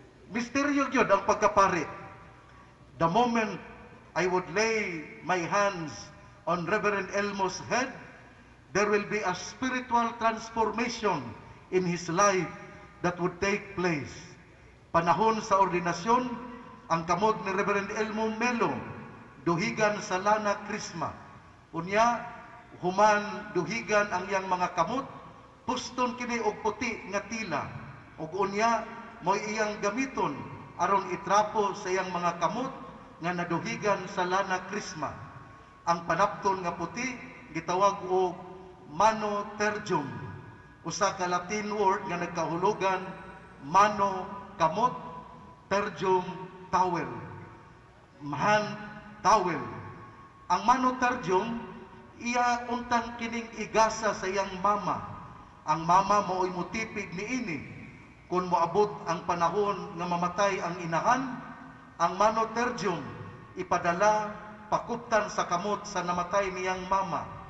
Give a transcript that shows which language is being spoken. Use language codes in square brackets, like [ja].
[ceb] Misteryo gyud ang pagkapari. [en] The moment I would lay my hands on Reverend Elmo's head, there will be a spiritual transformation in his life that would take place. [ceb] Panahon sa ordinasyon, ang kamot ni Reverend Elmo Melo, duhigan sa Lana Krisma. Unya, human duhigan ang iyang mga kamot, puston kini og puti nga tila. Og unya, mo'y iyang gamiton aron itrapo sa iyang mga kamot nga naduhigan sa Lana Krisma. Ang panapton nga puti, gitawag og mano tergium, usa ka [en] Latin word [ceb] nga nagkahulugan mano kamot, tergium [en] towel, man towel. [ceb] Ang mano tergium iya untang kining igasa sa iyang mama. Ang mama mo'y mutipig niini. Kung moabot ang panahon nga mamatay ang inahan, ang mano tergium ipadala pakuptan sa kamot sa namatay niyang mama.